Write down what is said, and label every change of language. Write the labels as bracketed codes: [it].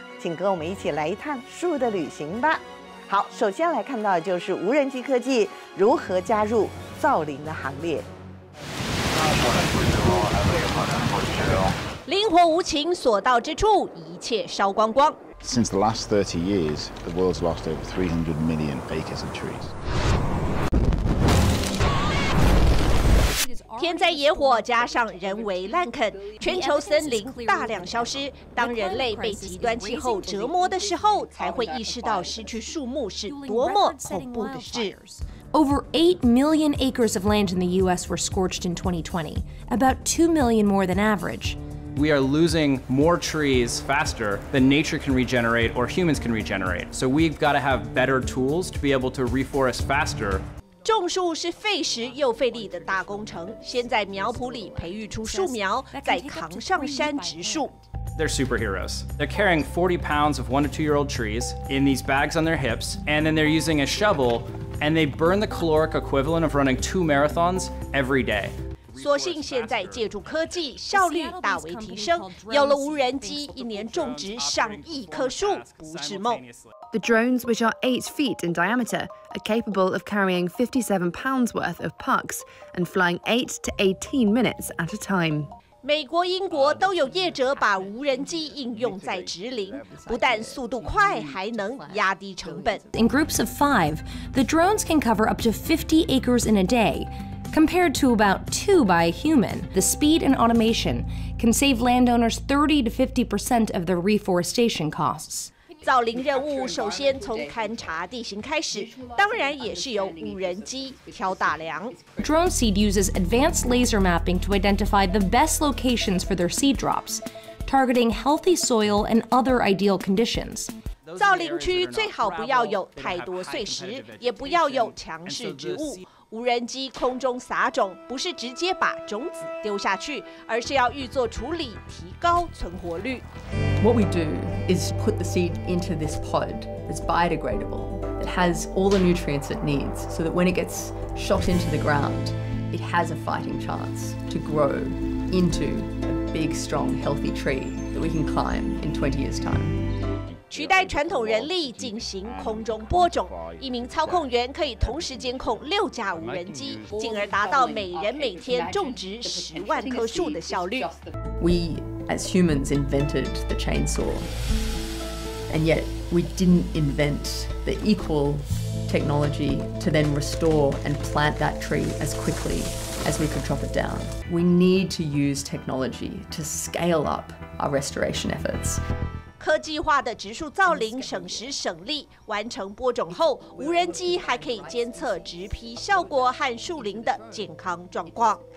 [zh] 请跟我们一起来一趟树的旅行吧。好，首先来看到的就是无人机科技如何加入造林的行列。灵活无情，所到之处一切烧光光。 [en] Since the last 30 years, the world's lost over 300 million acres of trees. [zh] 天灾野火加上人为滥垦，全球森林大量消失。当人类被极端气候折磨的时候，才会意识到失去树木是多么恐怖的事。 [en] Over 8 million acres of land in the U.S. were scorched in 2020, about 2 million more than average. We are losing more trees faster than nature can regenerate or humans can regenerate. So we've got to have better tools to be able to reforest faster. [zh] 种树是费时又费力的大工程，先在苗圃里培育出树苗，再扛上山植树。 [en] They're superheroes. They're carrying 40 pounds of 1 to 2 year old trees in these bags on their hips, and then they're using a shovel, and they burn the caloric equivalent of running 2 marathons every day. [zh] 所幸现在借助科技，效率大为提升。有了无人机，一年种植上亿棵树不是梦。 [en] The drones, which are 8 feet in diameter, are capable of carrying 57 pounds worth of pucks and flying 8 to 18 minutes at a time. [zh] 美国、英国都有业者把无人机应用在植林，不但速度快，还能压低成本。 [en] In groups of 5, the drones can cover up to 50 acres in a day. Compared to about 2 by a human, the speed and automation can save landowners 30% to 50% of their reforestation costs. [zh] 造林任务首先从勘察地形开始，当然也是由无人机挑大梁。 [en] Drone Seed uses advanced laser mapping to identify the best locations for their seed drops, targeting healthy soil and other ideal conditions. [zh] 造林区最好不要有太多碎石，也不要有强势植物。无人机空中撒种，不是直接把种子丢下去，而是要预作处理，提高存活率。 [en] What we do is put the seed into this pod. It's biodegradable. It has all the nutrients it needs, so that when it gets shot into the ground, it has a fighting chance to grow into a big, strong, healthy tree that we can climb in 20 years' time. [zh] 取代传统人力进行空中播种，一名操控员可以同时监控6架无人机，进而达到每人每天种植10万棵树的效率。 [en] We as humans invented the chainsaw, and yet we didn't invent the equal technology to then restore and plant that tree as quickly as we could chop it down. We need to use technology to scale up our restoration efforts. [zh] 科技化的植树造林省时省力，完成播种后，无人机还可以监测植坯效果和树林的健康状况。